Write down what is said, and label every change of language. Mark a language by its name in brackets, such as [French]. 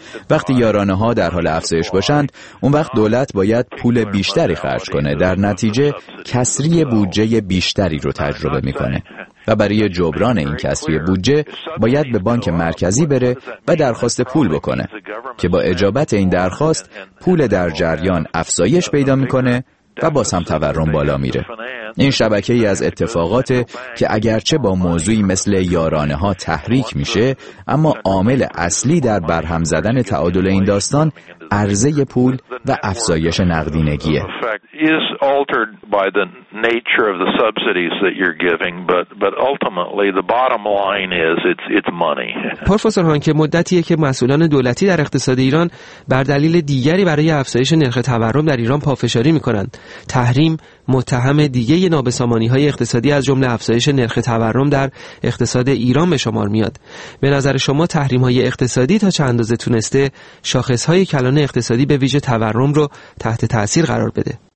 [Persian] وقتی یارانه ها در حال افزایش باشند، اون وقت دولت باید پول بیشتری خرج کنه، در نتیجه کسری بودجه بیشتری رو تجربه میکنه و برای جبران این کسری بودجه باید به بانک مرکزی بره و درخواست پول بکنه که با اجابت این درخواست پول در جریان افزایش پیدا میکنه و باز هم تورم بالا میره. این شبکه ای از اتفاقاته که اگرچه با موضوعی مثل یارانه ها تحریک میشه، اما عامل اصلی در برهم زدن تعادل این داستان عرضه پول و افزایش نقدینگیه. [English] Is altered by the nature of the subsidies that you're giving, but ultimately the bottom line is it's money. [Persian] پروفسور هانکه مدتیه که مسئولان دولتی در اقتصاد ایران بر دلیل دیگری برای افزایش نرخ تورم در ایران پافشاری میکنند. تحریم متهم دیگه نابسامانی‌های اقتصادی از جمله افزایش نرخ تورم در اقتصاد ایران به شمار میاد. به نظر شما تحریم‌های اقتصادی تا چه اندازه تونسته شاخص‌های کلان اقتصادی به ویژه تورم رو تحت تأثیر قرار بده؟